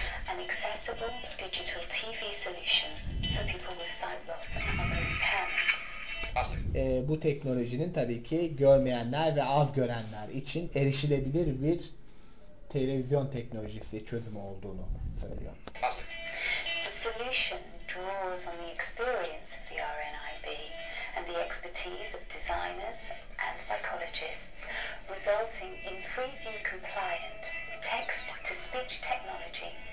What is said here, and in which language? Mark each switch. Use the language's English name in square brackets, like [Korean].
[English] An accessible digital TV solution for people with sight loss and other impairments. [Turkish] Bu teknolojinin tabii ki görmeyenler ve az görenler için erişilebilir bir televizyon teknolojisi çözümü olduğunu söylüyor. [English] The solution draws on the experience of the RNIB and the expertise of designers and psychologists, resulting in 3D compliant text to speech technology.